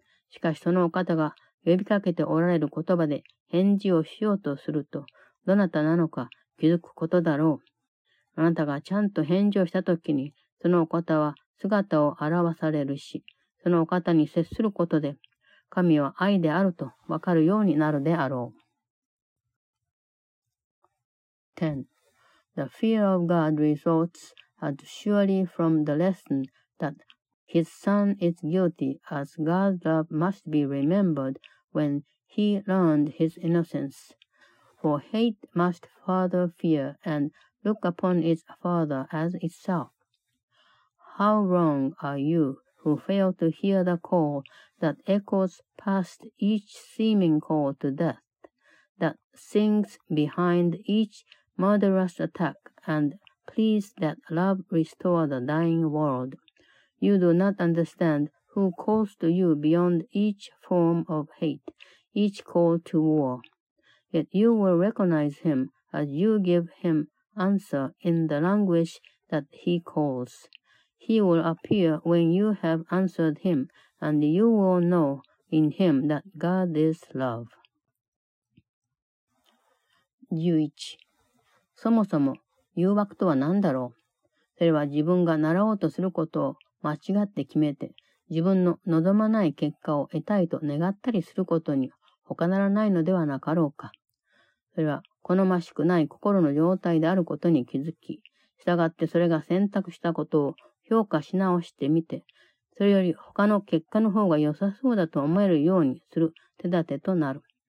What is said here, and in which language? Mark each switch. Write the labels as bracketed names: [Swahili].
[Japanese] しかしそのお方が呼びかけておられる言葉で返事をしようとすると、どなたなのか気づくことだろう。あなたがちゃんと返事をしたときに、そのお方は姿を現されるし、そのお方に接することで、神は愛であるとわかるようになるであろう。 [English] 10. The fear of God results as surely from the lesson that his son is guilty as God's love must be remembered when he learned his innocence. For hate must father fear and look upon its father as itself. How wrong are you who fail to hear the call that echoes past each seeming call to death, that sings behind each murderous attack and pleads that love restore the dying world. You do not understand who calls to you beyond each form of hate, each call to war. Yet you will recognize him as you give him answer in the language that he calls. He will appear when you have answered him, and you will know in him that God is love. [Japanese] 11. そもそも誘惑とは何だろう。それは自分が習おうとすることを間違って決めて、自分の望まない結果を得たいと願ったりすることに他ならないのではなかろうか。それは好ましくない心の状態であることに気づき、したがってそれが選択したことを評価し直してみて、それより他の結果の方が良さそうだと思えるようにする手立てとなる。